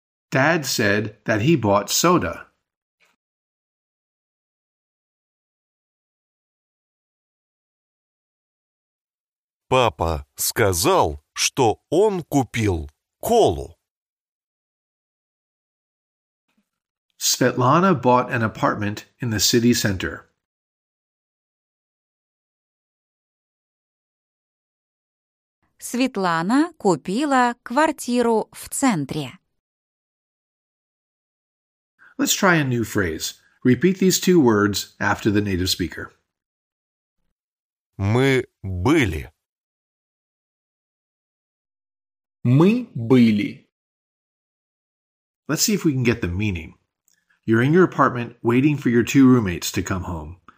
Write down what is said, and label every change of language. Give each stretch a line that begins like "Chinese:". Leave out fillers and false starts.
English: Dad said that he bought soda.
Russian: Папа сказал, что он купил колу.
English: Светлана bought an apartment in the city center.
Russian: Светлана купила квартиру в центре.
English: Let's try a new phrase. Repeat these two words after the native speaker.
Russian: Мы были. Мы были.
English: Let's see if we can get the meaning. You're in your apartment waiting for your two roommates to come home.